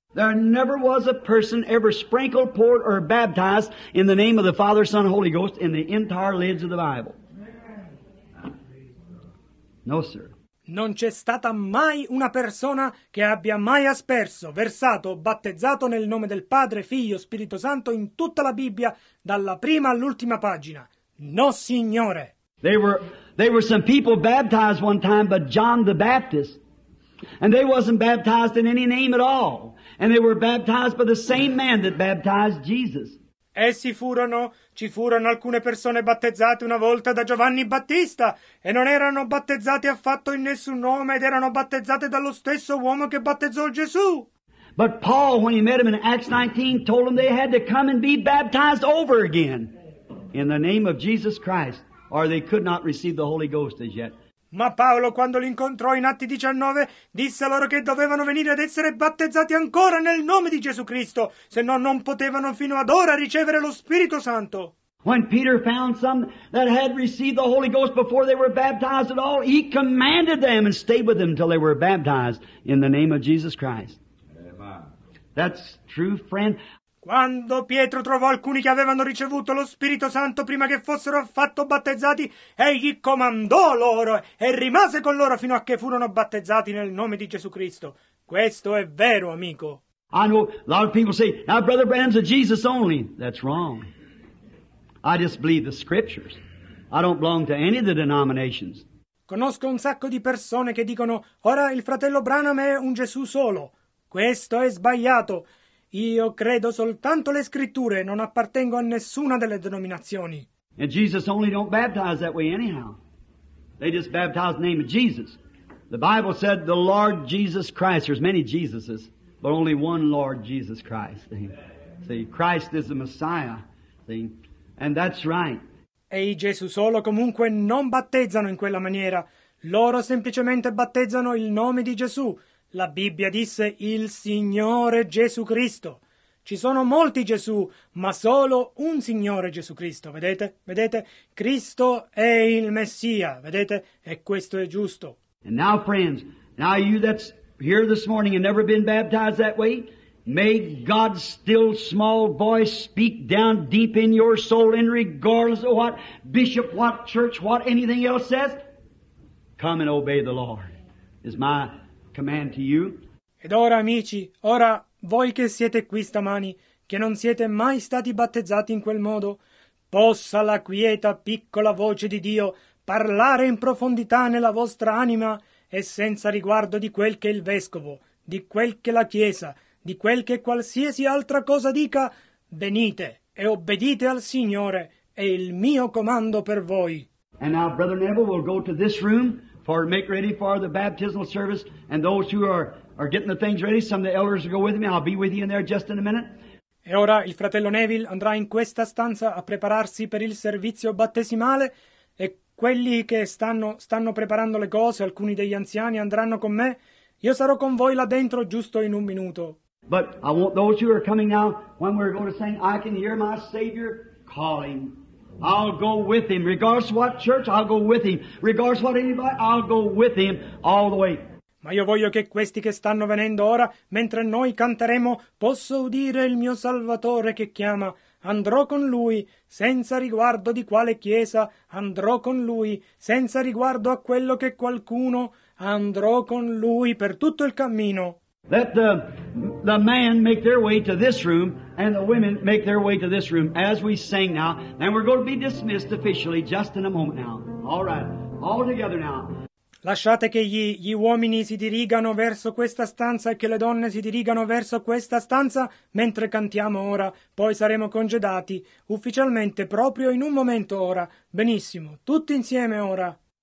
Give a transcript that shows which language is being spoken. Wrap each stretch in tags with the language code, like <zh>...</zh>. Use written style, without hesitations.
<en>There never was a person ever sprinkled, poured, or baptized in the name of the Father, Son, and Holy Ghost in the entire lids of the Bible. No, sir.</en> <it>Non c'è stata mai una persona che abbia mai asperso, versato, battezzato nel nome del Padre, Figlio, Spirito Santo in tutta la Bibbia, dalla prima all'ultima pagina. No, Signore!</it> <en>There were some people baptized one time, but John the Baptist, and they wasn't baptized in any name at all, and they were baptized by the same man that baptized Jesus.</en> <it>Essi furono, ci furono alcune persone battezzate una volta da Giovanni Battista, e non erano battezzate affatto in nessun nome, ed erano battezzate dallo stesso uomo che battezzò Gesù.</it> <en>But Paul, when he met him in Acts 19, told them they had to come and be baptized over again in the name of Jesus Christ, or they could not receive the Holy Ghost as yet.</en> <it>Ma Paolo, quando li incontrò in Atti 19, disse loro che dovevano venire ad essere battezzati ancora nel nome di Gesù Cristo, se no non potevano fino ad ora ricevere lo Spirito Santo.</it> <en>When Peter found some that had received the Holy Ghost before they were baptized at all, he commanded them and stayed with them till they were baptized in the name of Jesus Christ. Amen. That's true, friend.</en> <it>Quando Pietro trovò alcuni che avevano ricevuto lo Spirito Santo prima che fossero affatto battezzati, egli comandò loro e rimase con loro fino a che furono battezzati nel nome di Gesù Cristo. Questo è vero, amico.</it> <en>I know a lot of people say, now Brother Branham's a Jesus only. That's wrong. I just believe the scriptures. I don't belong to any of the denominations.</en> <it>Conosco un sacco di persone che dicono, ora il fratello Branham è un Gesù solo. Questo è sbagliato. Io credo soltanto le scritture, non appartengo a nessuna delle denominazioni.</it> <en>And Jesus only don't baptize that way anyhow. They just baptize the name of Jesus. The Bible said the Lord Jesus Christ. There's many Jesuses, but only one Lord Jesus Christ. See, Christ is the Messiah. See, and that's right.</en> <it>E i Gesù solo comunque non battezzano in quella maniera. Loro semplicemente battezzano il nome di Gesù. La Bibbia disse il Signore Gesù Cristo. Ci sono molti Gesù, ma solo un Signore Gesù Cristo. Vedete? Vedete? Cristo è il Messia. Vedete? E questo è giusto.</it> <en>And now, friends, now you that's here this morning and never been baptized that way, may God's still small voice speak down deep in your soul in regardless of what bishop, what church, what anything else says. Come and obey the Lord. Is my command to you.</en> <it>Ed ora, amici, ora voi che siete qui stamani, che non siete mai stati battezzati in quel modo, possa la quieta piccola voce di Dio parlare in profondità nella vostra anima e senza riguardo di quel che il vescovo, di quel che la chiesa, di quel che qualsiasi altra cosa dica, venite e obbedite al Signore e il mio comando per voi.</it> <en>And now Brother Neville will go to this room for make ready for the baptismal service, and those who are getting the things ready, some of the elders will go with me. I'll be with you in there just in a minute.</en> <it>E ora il fratello Neville andrà in questa stanza a prepararsi per il servizio battesimale, e quelli che stanno preparando le cose, alcuni degli anziani, andranno con me. Io sarò con voi là dentro giusto in un minuto.</it> <en>But I want those who are coming now, when we're going to sing, I can hear my Savior calling. I'll go with him. Regardless what church, I'll go with him. Regardless what anybody, I'll go with him all the way.</en> <it>Ma io voglio che questi che stanno venendo ora, mentre noi canteremo, posso udire il mio Salvatore che chiama. Andrò con lui, senza riguardo di quale chiesa, andrò con lui, senza riguardo a quello che qualcuno, andrò con lui per tutto il cammino.</it> <en>Let the men make their way to this room and the women make their way to this room as we sing now. And we're going to be dismissed officially just in a moment now. All right, all together now.</en> <it>Lasciate che gli uomini si dirigano verso questa stanza e che le donne si dirigano verso questa stanza mentre cantiamo ora. Poi saremo congedati ufficialmente proprio in un momento ora. Benissimo, tutti insieme ora.</it>